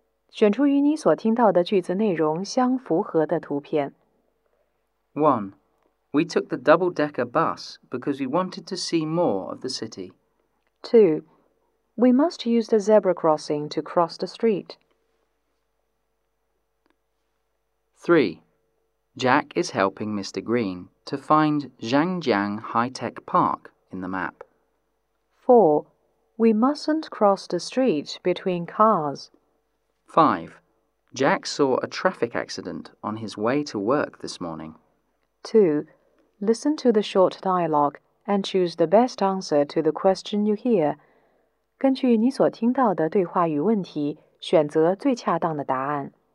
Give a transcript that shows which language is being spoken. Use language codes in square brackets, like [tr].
[zh] 选出与你所听到的句子内容相符合的图片。 [en] 1. We took the double-decker bus because we wanted to see more of the city. 2. We must use the zebra crossing to cross the street. 3. Jack is helping Mr. Green to find Zhangjiang High-Tech Park in the map. 4. We mustn't cross the street between cars. 5. Jack saw a traffic accident on his way to work this morning. 2. Listen to the short dialogue and choose the best answer to the question you hear. [zh] 根据你所听到的对话与问题，选择最恰当的答案。